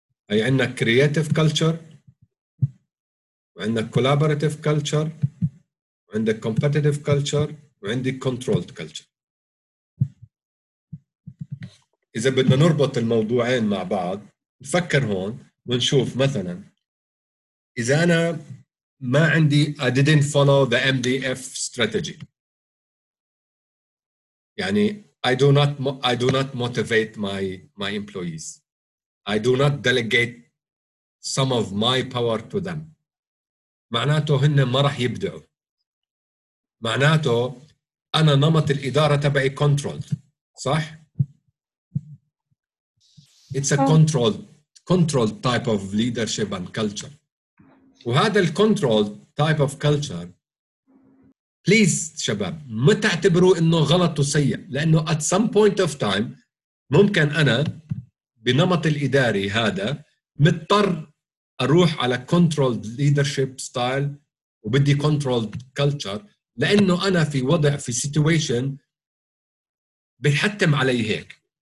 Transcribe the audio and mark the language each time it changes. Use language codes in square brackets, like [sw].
[ar] هي عندنا creative culture، وعندنا collaborative culture، وعندنا competitive culture، وعندي controlled culture. إذا بدنا نربط الموضوعين مع بعض، نفكر هون ونشوف مثلا إذا أنا ما عندي [en] I didn't follow the MDF strategy، [ar] يعني [en] I do not motivate my employees. I do not delegate some of my power to them. [ar] معناته هن ما رح يبدعوا. معناته أنا نمط الإدارة تبعي controlled. صح؟ [en] It's a controlled type of leadership and culture. [ar] وهذا ال controlled type of culture، بليز شباب ما تعتبروا انه غلط وسيء، لانه [en] at some point of time [ar] ممكن انا بنمط الاداري هذا مضطر اروح على controlled leadership style وبدي controlled culture، لانه انا في وضع في situation بيحتم علي هيك.